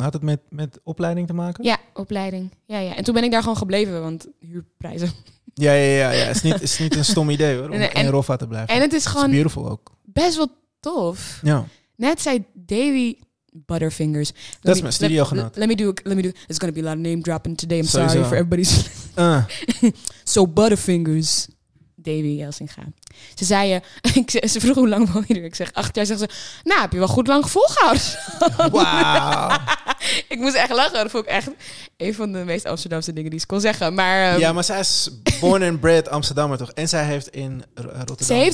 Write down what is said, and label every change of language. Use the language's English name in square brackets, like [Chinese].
[Dutch] Had het met opleiding te maken? Ja, opleiding. Ja, ja. En toen ben ik daar gewoon gebleven, want huurprijzen. Ja. Het is niet een stom idee, hoor, om in Roffa te blijven. En het is gewoon, het is beautiful ook. Best wel tof. Ja. Net zei Davy Butterfingers. Dat is mijn studiogenoot. [English] Let me do. It's gonna be a lot of name dropping today. I'm sorry for everybody's. So Butterfingers. Davy Jelsinga. [Dutch] Ze zei, ze vroeg hoe lang woon je er? Ik zeg 8 jaar. Zegt ze, nou, heb je wel goed lang volgehouden. Wauw. Wow. Ik moest echt lachen. Dat vond ik echt een van de meest Amsterdamse dingen die ze kon zeggen. Maar, ja, maar zij is [English] born and bred [Dutch] Amsterdammer, toch? En zij heeft in Rotterdam